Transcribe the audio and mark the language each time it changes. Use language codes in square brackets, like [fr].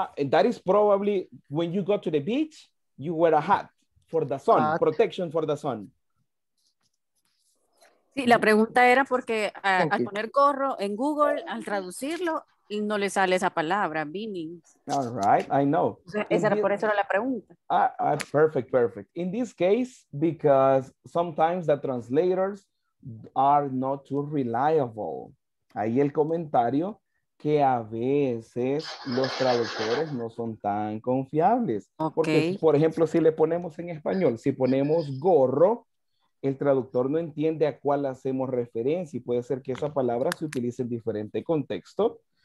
[en] That is probably when you go to the beach, you wear a hat for the sun, hat. Protection for the sun. [es] Sí, la pregunta era porque al poner gorro en Google, al traducirlo, y no le sale esa palabra, beanie. [en] All right, I know. [es] Por eso era la pregunta. [en] Perfect, perfect. In this case, because sometimes the translators are not too reliable. [es] Ahí el comentario que a veces los traductores no son tan confiables. [en] Okay. [es] Porque, por ejemplo, si le ponemos en español, si ponemos gorro, el traductor no entiende a cuál hacemos referencia y puede ser que esa palabra se utilice en diferente contexto.